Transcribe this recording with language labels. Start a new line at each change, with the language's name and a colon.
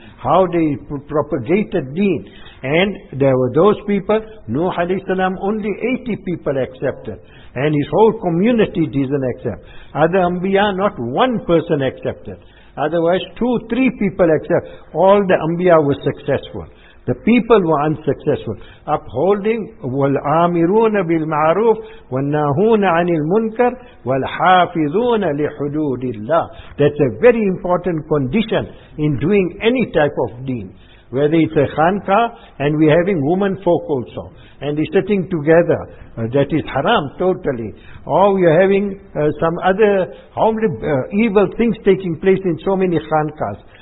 English: How they propagated deen. And there were those people, Nuh alayhi salam, only 80 people accepted. And his whole community didn't accept. Other Anbiya, not one person accepted. Otherwise, 2-3 people accept. All the Anbiya were successful. The people were unsuccessful. Upholding,
Arabic: وَالْآمِرُونَ بِالْمَعْرُوفِ وَالنَّاهُونَ عَنِ الْمُنْكَرِ وَالْحَافِظُونَ لِحُدُودِ اللَّهِ.
English: That's a very important condition in doing any type of deen. Whether it's a khanqa, and we're having women folk also, and they're sitting together, that is haram totally. Or we're having some other evil things taking place in so many khanqas.